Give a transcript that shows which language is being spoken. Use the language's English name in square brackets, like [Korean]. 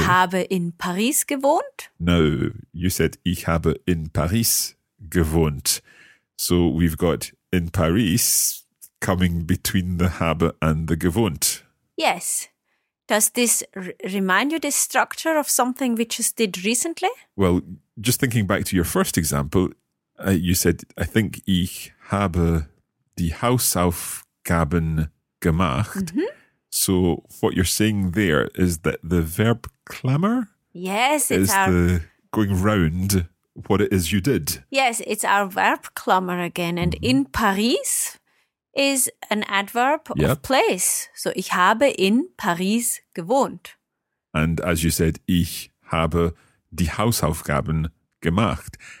[German] Ich habe in Paris gewohnt. [English] No, you said [German] ich habe in Paris gewohnt. [English] So we've got in Paris coming between the habe and the gewohnt. Yes. Does this remind you this structure of something we just did recently? Well, just thinking back to your first example, you said, I think [German] ich habe die Hausaufgaben gemacht. Mm-hmm. [English] So what you're saying there is that the verb klammer? Yes, it's going round what it is you did. Yes, it's our verb klammer again. And in Paris is an adverb of place. [German] So ich habe in Paris gewohnt. [English] And as you said, [German] ich habe die Hausaufgaben gemacht.